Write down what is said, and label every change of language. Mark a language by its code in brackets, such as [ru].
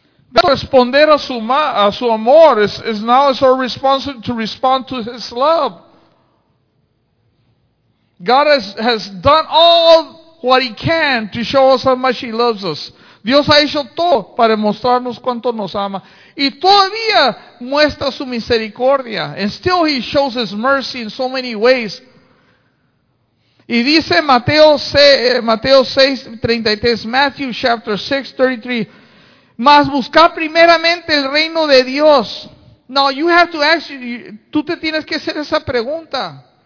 [es] Responder a su amor [en] is now it's our responsibility to respond to His love. God has done all what He can to show us how much He loves us. [es] Dios ha hecho todo para mostrarnos cuánto nos ama, y todavía muestra su misericordia. [en] And still He shows His mercy in so many ways. [es] Y dice Mateo 6:33, [en] Matthew chapter 6:33. [es] Mas buscar primeramente el reino de Dios. [en] Now you have to ask, [es] tú te tienes que hacer esa pregunta.